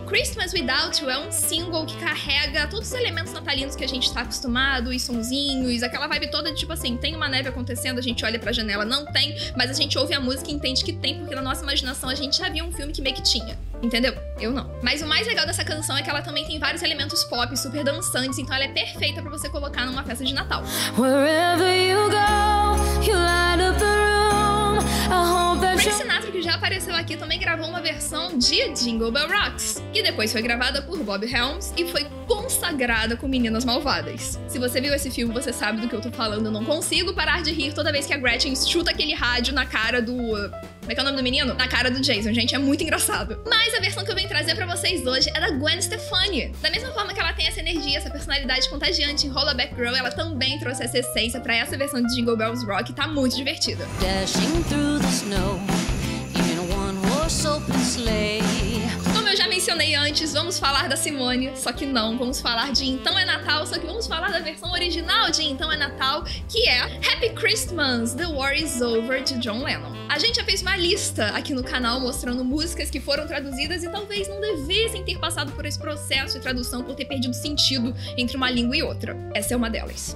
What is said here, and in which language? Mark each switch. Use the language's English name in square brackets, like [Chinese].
[Portuguese] Christmas Without You é um single que carrega todos os elementos natalinos que a gente tá acostumado, e sonzinhos, aquela vibe toda de tipo assim, tem uma neve acontecendo, a gente olha pra janela, não tem, mas a gente ouve a música e entende que tem, porque na nossa imaginação a gente já viu um filme que meio que tinha. Entendeu? Eu não. Mas o mais legal dessa canção é que ela também tem vários elementos pop, super dançantes, então ela é perfeita pra você colocar numa festa de Natal. [English] Wherever you go, you light up the room. I hope that [Portuguese] Frank Sinatra, que já apareceu aqui, também gravou uma versão de Jingle Bell Rocks, que depois foi gravada por Bob Helms e foi consagrada com Meninas Malvadas. Se você viu esse filme, você sabe do que eu tô falando. Eu não consigo parar de rir toda vez que a Gretchen chuta aquele rádio na cara do... Como é que é o nome do menino? Na cara do Jason, gente, é muito engraçado. Mas a versão que eu venho trazer pra vocês hoje é da Gwen Stefani. Da mesma forma que ela tem essa energia, essa personalidade contagiante em Holla Back Girl, ela também trouxe essa essência pra essa versão de Jingle Bells Rock, que tá muito divertida. [English] Dashing through the snow, even a one-horse open sleigh. [Portuguese] Como eu já mencionei antes, vamos falar da Simone, só que não, vamos falar de Então é Natal, só que vamos falar da versão original de Então é Natal, que é Happy Christmas, The War is Over, de John Lennon. A gente já fez uma lista aqui no canal mostrando músicas que foram traduzidas e talvez não devessem ter passado por esse processo de tradução por ter perdido sentido entre uma língua e outra. Essa é uma delas.